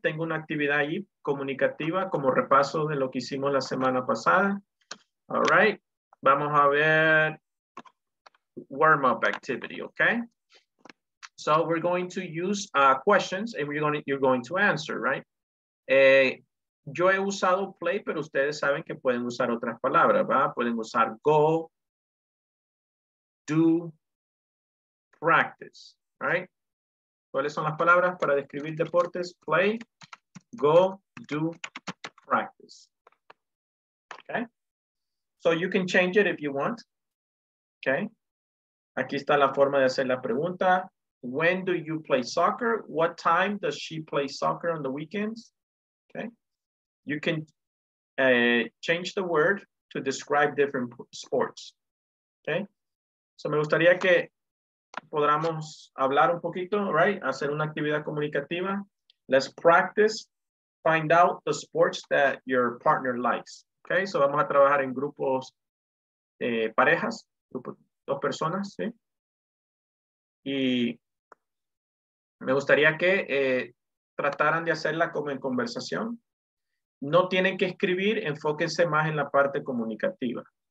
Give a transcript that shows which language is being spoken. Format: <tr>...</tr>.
<es>Tengo una actividad ahí comunicativa como repaso de lo que hicimos la semana pasada.</es> <en>All right,</en> <es>vamos a ver</es> <en>warm up activity. Okay, so we're going to use questions and you're going to answer, right?</en> <es>Yo he usado play, pero ustedes saben que pueden usar otras palabras, ¿va? Pueden usar go, do, practice, right? ¿Cuáles son las palabras para describir deportes? Play, go, do, practice. Okay.</es> <en>So you can change it if you want. Okay.</en> <es>Aquí está la forma de hacer la pregunta.</es> <en>When do you play soccer? What time does she play soccer on the weekends? Okay. You can change the word to describe different sports. Okay.</en> <es>So me gustaría que podamos hablar un poquito, right? Hacer una actividad comunicativa.</es> <en>Let's practice. Find out the sports that your partner likes.</en> <es>Okay, so vamos a trabajar en grupos, parejas, grupos, dos personas, ¿sí? Y me gustaría que trataran de hacerla como en conversación. No tienen que escribir, enfóquense más en la parte comunicativa.</es>